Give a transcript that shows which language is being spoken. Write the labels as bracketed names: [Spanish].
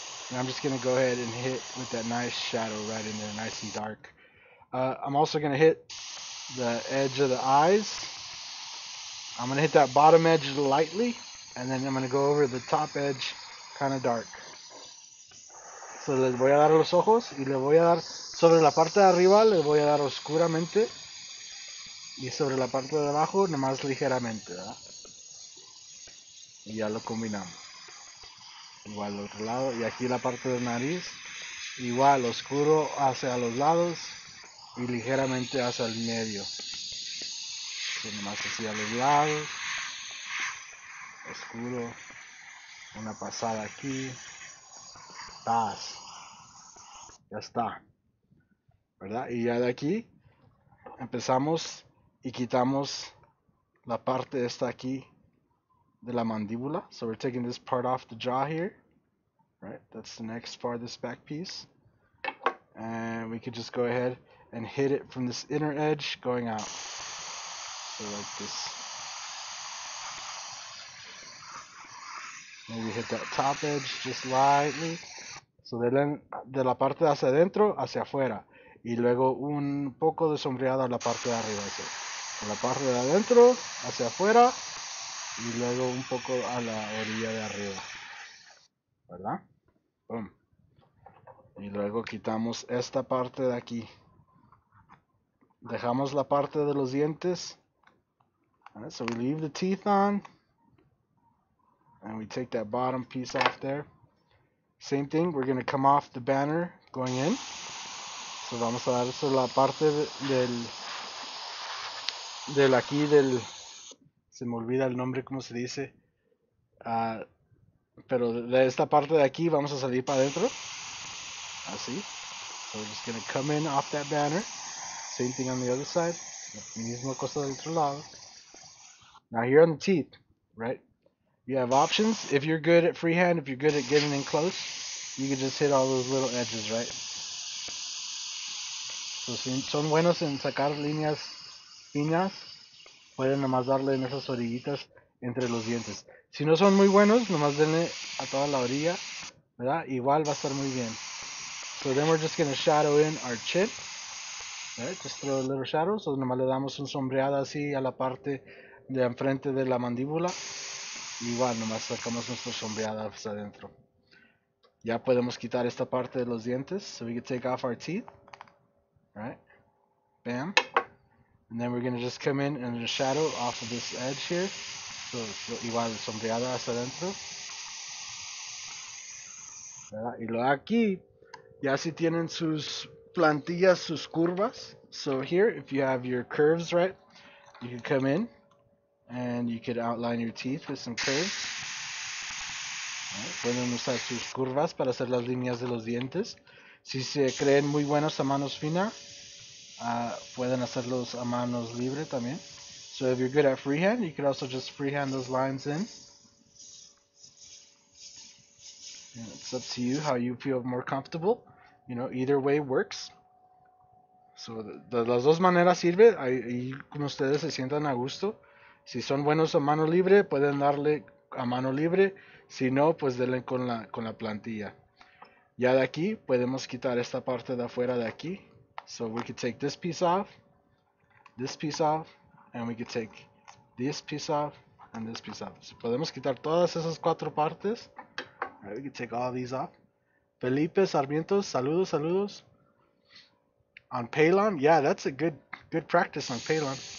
[English] And I'm just going to go ahead and hit with that nice shadow right in there, nice and dark. I'm also going to hit the edge of the eyes. I'm going to hit that bottom edge lightly, and then I'm going to go over the top edge, kind of dark. [Spanish] So, les voy a dar los ojos, y le voy a dar, sobre la parte de arriba, le voy a dar oscuramente, y sobre la parte de abajo, nomás ligeramente, ¿verdad? Y ya lo combinamos. Igual al otro lado, y aquí la parte de nariz, igual, oscuro hacia los lados, y ligeramente hacia el medio. Nomás así a los lados, oscuro, una pasada aquí, paz, ya está, ¿verdad? Y ya de aquí empezamos y quitamos la parte esta aquí de la mandíbula. [English] So we're taking this part off the jaw here, right? That's the next part of this back piece. And we could just go ahead and hit it from this inner edge going out. So like this. Maybe hit that top edge just lightly. [Spanish] So de la parte de hacia adentro hacia afuera. Y luego un poco de sombreado a la parte de arriba. So, de la parte de adentro hacia afuera. Y luego un poco a la orilla de arriba. ¿Verdad? Boom. Y luego quitamos esta parte de aquí. Dejamos la parte de los dientes. [English] Alright, so we leave the teeth on, and we take that bottom piece off there. Same thing, we're going to come off the banner going in. [Spanish] So vamos a dar eso la parte del aquí del, se me olvida el nombre, cómo se dice, pero de esta parte de aquí vamos a salir para adentro, así. [English] So we're just going to come in off that banner. Same thing on the other side. [Spanish] Mismo cosa del otro lado. [English] Now here on the teeth, right? You have options. If you're good at freehand, if you're good at getting in close, you can just hit all those little edges, right? [Spanish] So si son buenos en sacar líneas finas, pueden nomás darle en esas orillitas entre los dientes. Si no son muy buenos, nomás denle a toda la orilla, ¿verdad? Igual va a estar muy bien. [English] So then we're just going to shadow in our chip. Right, just throw a little shadow. [Spanish] So nomás le damos un sombreada así a la parte de enfrente de la mandíbula. Igual, nomás sacamos nuestra sombreada hacia adentro. Ya podemos quitar esta parte de los dientes. [English] So we can take off our teeth. Right. Bam. And then we're going to just come in and just shadow off of this edge here. [Spanish] So igual, sombreada hacia adentro. Y lo aquí, ya si tienen sus plantillas, sus curvas. [English] So here, if you have your curves, right, you can come in and you could outline your teeth with some curves. [Spanish] Pueden usar sus curvas para hacer las líneas de los dientes. Si se creen muy buenos a manos fina, pueden hacerlos a manos libre también. [English] So if you're good at freehand, you could also just freehand those lines in. And it's up to you how you feel more comfortable. You know, either way works. [Spanish] So de las dos maneras sirve. Ahí como ustedes se sientan a gusto. Si son buenos a mano libre, pueden darle a mano libre. Si no, pues denle con la plantilla. Ya de aquí, podemos quitar esta parte de afuera de aquí. [English] So we could take this piece off, and we could take this piece off, and this piece off. So [Spanish] podemos quitar todas esas cuatro partes. [English] Right, we could take all these off. Felipe Sarmiento, [Spanish] saludos, saludos. [English] On Palon, yeah, that's a good practice on Palon.